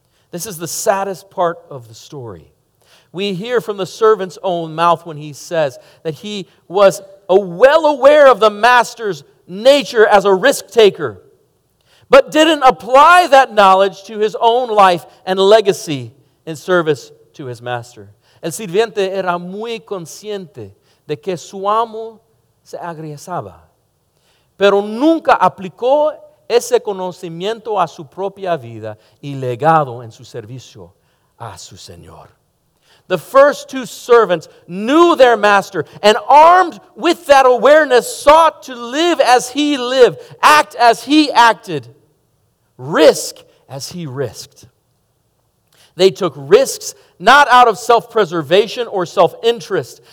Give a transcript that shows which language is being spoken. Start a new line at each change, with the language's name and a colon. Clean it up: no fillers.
English: This is the saddest part of the story. We hear from the servant's own mouth when he says that he was well aware of the master's nature as a risk taker, but didn't apply that knowledge to his own life and legacy in service to his master.
Spanish: El sirviente era muy consciente de que su amo se arriesgaba, pero nunca aplicó ese conocimiento a su propia vida y legado en su servicio a su señor.
English: The first two servants knew their master and, armed with that awareness, sought to live as he lived, act as he acted, risk as he risked. They took risks not out of self-preservation or self-interest.